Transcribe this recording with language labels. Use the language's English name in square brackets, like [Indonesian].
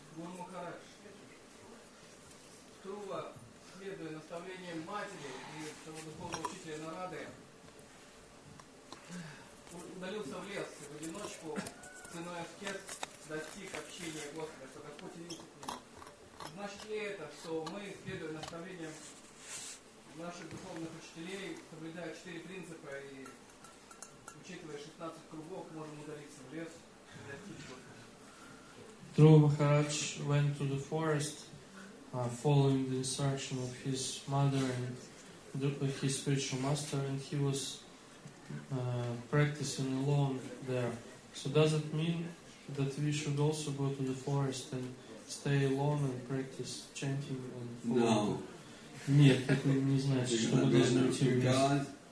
[Russian] Гуру Махарадж, Трува, следуя наставлениям матери и того духовного учителя Нарады, удалился в лес в одиночку, ценой аскет, достиг общения Господа, что Господь явился к нему. Значит ли это, что мы, следуя наставлениям наших духовных учителей, соблюдая четыре принципа и учитывая 16 кругов, можем удалиться в лес и достичь Господа? [English] Dhruva Maharaj went to the forest following the instruction of his mother and his spiritual master, and he was practicing alone there. So does it mean that we should also go to the forest and stay alone and practice chanting and following? No. [Russian] Нет, это не значит, что мы должны уйти вместе.